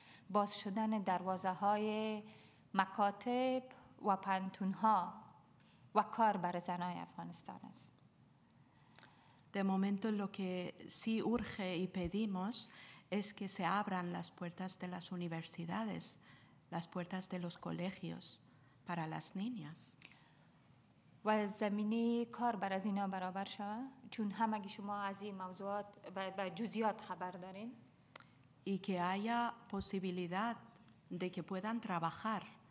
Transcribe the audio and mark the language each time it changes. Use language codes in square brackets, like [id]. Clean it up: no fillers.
[fa] باز شدن دروازه های مکاتب و پنتون ها و کار بر زنای افغانستان است. [es] De momento lo que sí urge y pedimos es que se abran las puertas de las universidades, las puertas de los colegios para las niñas. [fa] و زمینی کار بر از اینا برابر شوه چون همگی شما از این موضوعات به جزئیات خبر دارین. [es] Y que haya posibilidad de que puedan trabajar.